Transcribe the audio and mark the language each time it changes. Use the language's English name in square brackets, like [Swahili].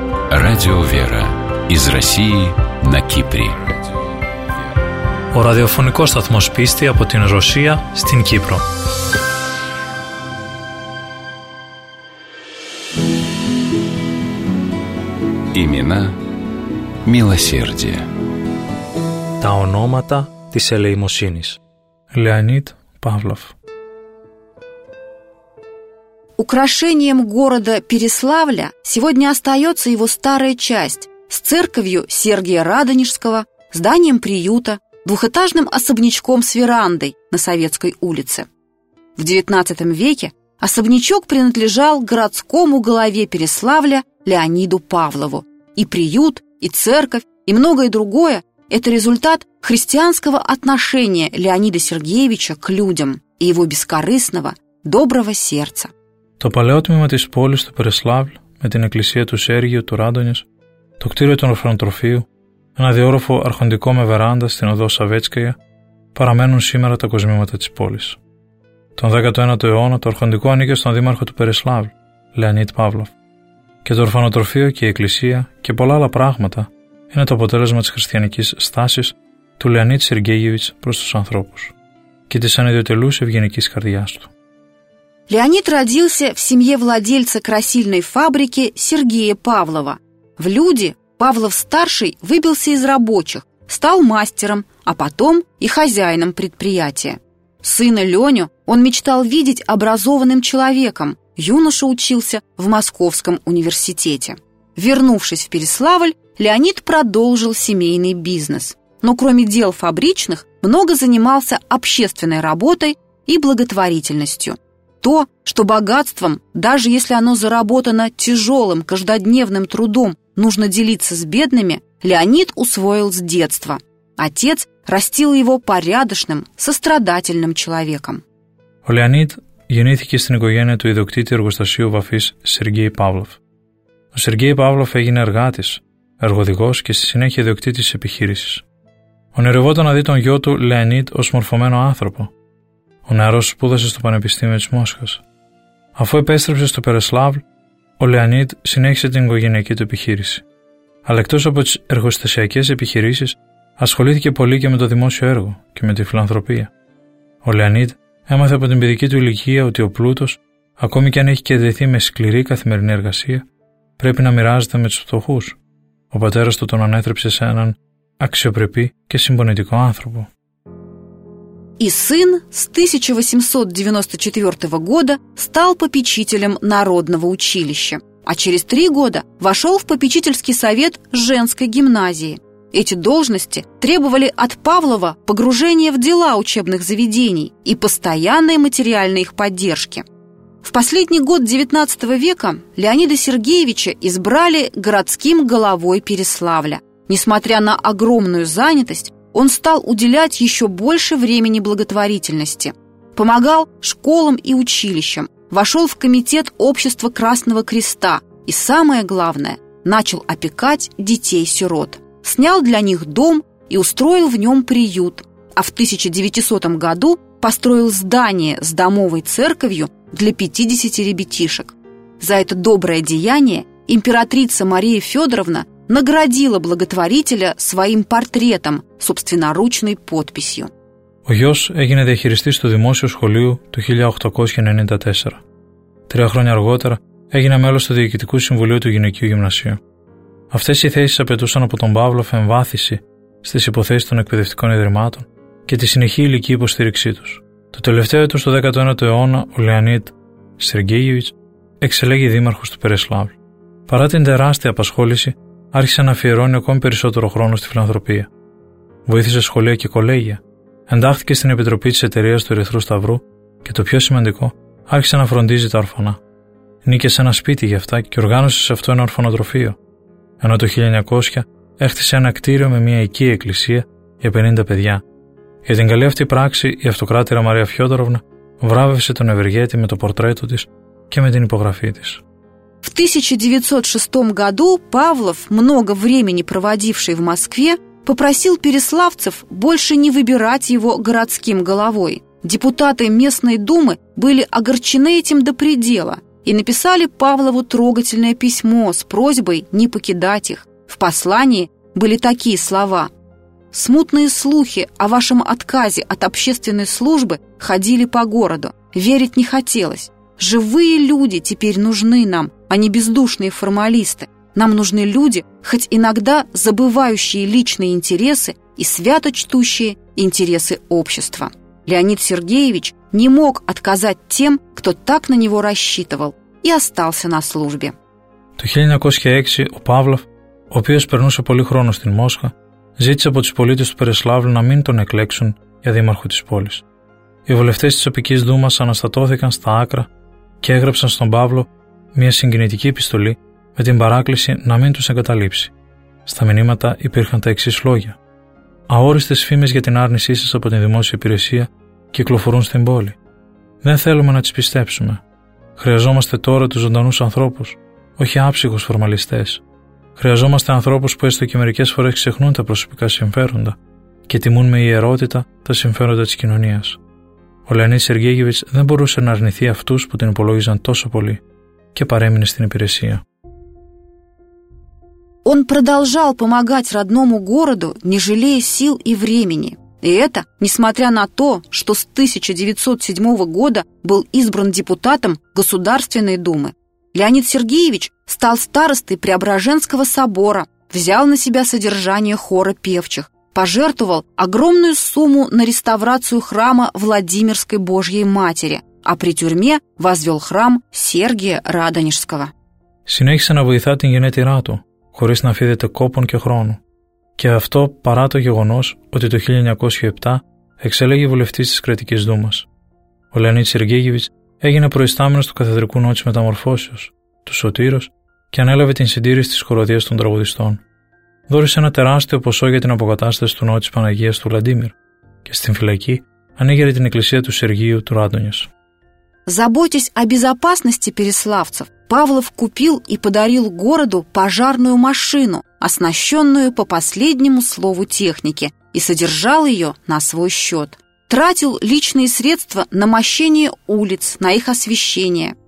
[Russian] Радио Вера из России на Кипре. [Greek] Ο ραδιοφωνικός σταθμός πίστη από την Ρωσία στην Κύπρο. [Russian] Имена милосердия. [Greek] Τα ονόματα της ελεημοσύνης. [Russian] Леонид Павлов. Украшением города Переславля сегодня остается его старая часть с церковью Сергия Радонежского, зданием приюта, двухэтажным особнячком с верандой на Советской улице. В XIX веке особнячок принадлежал городскому главе Переславля Леониду Павлову. И приют, и церковь, и многое другое – это результат христианского отношения Леонида Сергеевича к людям и его бескорыстного, доброго сердца. [Greek] Το παλαιό τμήμα της πόλης του Переславλ, με την εκκλησία του Σέργιου του Ράντονης, το κτίριο του ορφανοτροφείου, ένα διόροφο αρχοντικό με βεράντα στην οδό Σαβέτσκαια, παραμένουν σήμερα τα κοσμήματα της πόλης. Τον 19ο αιώνα το αρχοντικό ανήκε στον δήμαρχο του Περισλάβλ, Λεωνίδ Παύλοφ. Και το ορφανοτροφείο και η εκκλησία και πολλά άλλα πράγματα είναι το αποτέλεσμα της χριστιανικής στάσης του Λεωνίδ Σεργέγεβιτς προς τους ανθρώπους και της ανιδιοτελούς ευγενικής καρδιάς του. [Russian] Леонид родился в семье владельца красильной фабрики Сергея Павлова. В люди Павлов-старший выбился из рабочих, стал мастером, а потом и хозяином предприятия. Сына Леню он мечтал видеть образованным человеком. Юноша учился в Московском университете. Вернувшись в Переславль, Леонид продолжил семейный бизнес. Но кроме дел фабричных, много занимался общественной работой и благотворительностью. То, что богатством, даже если оно заработано тяжелым каждодневным трудом, нужно делиться с бедными, Леонид усвоил с детства. Отец растил его порядочным, сострадательным человеком. [Greek] Ο Леонид γεννήθηκε στην οικογένεια του ιδιοκτήτη εργοστασίου βαφής Σεργέη Παύλοφ. Ο Σεργέη Παύλοφ έγινε εργάτης, εργοδηγός και στη συνέχεια ιδιοκτήτης επιχείρησης. Ονειρευόταν να δει τον γιο του Λεωνίδ ως μορφωμένο άνθρωπο. Ο νεαρός σπούδασε στο Πανεπιστήμιο της Μόσχας. Αφού επέστρεψε στο Περισλάβλ, ο Λεωνίδ συνέχισε την οικογενειακή του επιχείρηση. Αλλά εκτός από τις εργοστασιακές επιχειρήσεις, ασχολήθηκε πολύ και με το δημόσιο έργο και με τη φιλανθρωπία. Ο Λεωνίδ έμαθε από την παιδική του ηλικία ότι ο πλούτος, ακόμη και αν έχει κερδιθεί με σκληρή καθημερινή εργασία, πρέπει να μοιράζεται με τους φτωχούς. Ο πατέρας του τον ανέτρεψε σε έναν αξιοπρεπή και συμπονετικό άνθρωπο. [Russian] И сын с 1894 года стал попечителем народного училища, а через три года вошел в попечительский совет женской гимназии. Эти должности требовали от Павлова погружения в дела учебных заведений и постоянной материальной их поддержки. В последний год XIX века Леонида Сергеевича избрали городским головой Переславля. Несмотря на огромную занятость, он стал уделять еще больше времени благотворительности. Помогал школам и училищам, вошел в комитет общества Красного Креста и, самое главное, начал опекать детей-сирот. Снял для них дом и устроил в нем приют. А в 1900 году построил здание с домовой церковью для 50 ребятишек. За это доброе деяние императрица Мария Федоровна наградила благотворителя своим портретом, собственноручной подписью. [Greek] Ο γιος έγινε διαχειριστής του δημόσιου σχολείου το 1894. Τρία χρόνια αργότερα έγινε μέλος του Διοικητικού Συμβουλίου του Γυναικείου Γυμνασίου. Αυτές οι θέσεις απαιτούσαν από τον Παύλοφ εμβάθυνση στις υποθέσεις των εκπαιδευτικών ιδρυμάτων και τη συνεχή υλική υποστήριξή τους. Το τελευταίο έτος, το 19ο αιώνα, ο Λεωνίδ Σεργέγεβιτς εξελέγει δήμαρχος του Περισλάβλ. Παρά την τεράστια απασχόληση, άρχισε να αφιερώνει ακόμη περισσότερο χρόνο στη φιλανθρωπία. Βοήθησε σχολεία και κολέγια, εντάχθηκε στην Επιτροπή της Εταιρείας του Ερυθρού Σταυρού και το πιο σημαντικό, άρχισε να φροντίζει τα ορφανά. Νίκησε ένα σπίτι για αυτά και οργάνωσε σε αυτό ένα ορφανοτροφείο, ενώ το 1900 έχτισε ένα κτίριο με μια οικία εκκλησία για 50 παιδιά. Για την καλή αυτή πράξη, η αυτοκράτηρα Μαρία Φιόδωροβνα βράβευσε τον Ευεργέτη με το πορτρέτο της και με την υπογραφή της. [Russian] В 1906 году Павлов, много времени проводивший в Москве, попросил переславцев больше не выбирать его городским головой. Депутаты местной думы были огорчены этим до предела и написали Павлову трогательное письмо с просьбой не покидать их. В послании были такие слова: «Смутные слухи о вашем отказе от общественной службы ходили по городу. Верить не хотелось. Живые люди теперь нужны нам, а не бездушные формалисты. Нам нужны люди, хоть иногда забывающие личные интересы и свято чтущие интересы общества». Леонид Сергеевич не мог отказать тем, кто так на него рассчитывал, и остался на службе. [Greek] Το 1906 ο Παύλοφ, ο οποίος περνούσε πολύ χρόνο στην Μόσχα, ζήτησε από τους πολίτες του Περισσλάβλου να μην τον εκλέξουν για δήμαρχο της πόλης. Οι βουλευτές της οπικής δούμας αναστατώθηκαν στα άκρα και έγραψαν στον Παύλο μια συγκινητική επιστολή με την παράκληση να μην τους εγκαταλείψει. Στα μηνύματα υπήρχαν τα εξής λόγια: «Αόριστες φήμες για την άρνησή σας από την δημόσια υπηρεσία κυκλοφορούν στην πόλη. Δεν θέλουμε να τις πιστέψουμε. Χρειαζόμαστε τώρα τους ζωντανούς ανθρώπους, όχι άψυχους φορμαλιστές. Χρειαζόμαστε ανθρώπους που έστω και μερικές φορές ξεχνούν τα προσωπικά συμφέροντα και τιμούν με ιερότητα τα συμφέροντα της κοινωνίας». Ο Λεωνίδης Σεργέγεβιτς δεν μπορούσε να αρνηθεί αυτούς που την υπολόγιζαν τόσο πολύ και παρέμεινε στην υπηρεσία. [Russian] Он продолжал помогать родному городу, не жалея сил и времени. И это, несмотря на то, что с 1907 года был избран депутатом Государственной Думы. Леонид Сергеевич стал старостой Преображенского собора, взял на себя содержание хора певчих, пожертвовал огромную сумму на реставрацию храма Владимирской Божьей Матери, а при тюрьме возвел храм Сергия Радонежского. [Greek] Συνέχισε να βοηθά την γενέτειρά του, χωρίς να αφήνεται κόπον και χρόνο. Και αυτό παρά το γεγονός ότι το 1907 εξέλεγε βουλευτής της Κρατικής Δούμας. Ο Λεωνίδης Σεργέγεβιτς έγινε προϊστάμενος του Καθεδρικού Νότου της Μεταμορφώσεως, του Σωτήρος, και ανέλαβε την συντήρηση της χοροδίας των τραγουδιστών. Δώρησε ένα τεράστιο ποσό για την αποκατάσταση του Νότου της Παναγίας του Λαντίμιρ και στην φυλακή ανήγερε την εκκλησία του Σεργίου του Ράντονιας. [Russian] Заботясь о безопасности переславцев, Павлов купил и подарил городу пожарную машину, оснащенную по последнему слову техники, и содержал ее на свой счет. Тратил личные средства на мощение улиц, на их освещение.